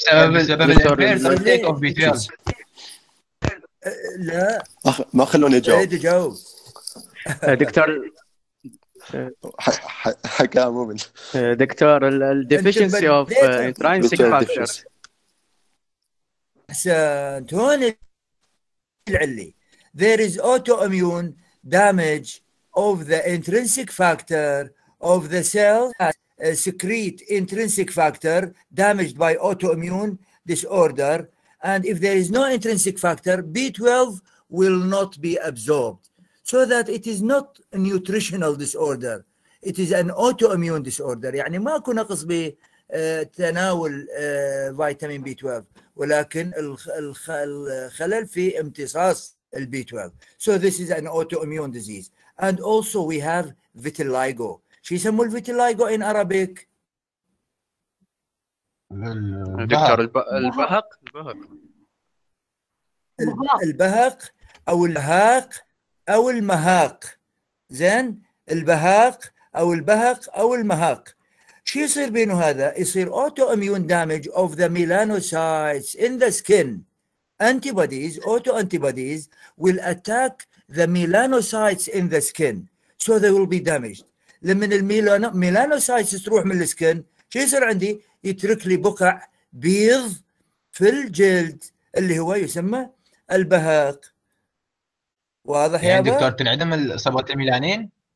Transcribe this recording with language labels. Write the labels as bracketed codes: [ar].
[ar] بسبب [en] الانتيك of B [ar] 12. لا ما خلوني أجاوب. أريد أجاوب دكتور. حكا مومن [en] Doctor الديفيشنسي of intrinsic factor. [ar] احسنت, هون العلي. [en] There is autoimmune damage of the intrinsic factor of the cell that secrete intrinsic factor damaged by autoimmune disorder, and if there is no intrinsic factor, B12 will not be absorbed. So that it is not a nutritional disorder, it is an autoimmune disorder. [ar] يعني ماكو نقص بتناول فيتامين بي 12, ولكن الخلل في امتصاص البي 12. [en] So this is an autoimmune disease. And also we have vitiligo. [ar] شو يسموه الفيتيلايجو [en] in Arabic؟ [ar] دكتور البهق. البهق أو البهاق أو المهاق. زين, البهاق أو البهق أو المهاق. شو يصير بينه هذا؟ يصير [en] autoimmune damage of the melanocytes in the skin. Antibodies, autoantibodies will attack the melanocytes in the skin. So they will be damaged. [ar] لما الميلانوسايتس تروح من السكن, شو يصير عندي؟ يترك لي بقع بيض في الجلد اللي هو يسمى البهاق. واضح يعني يا دكتور؟ تنعدم الصبغه الميلانين.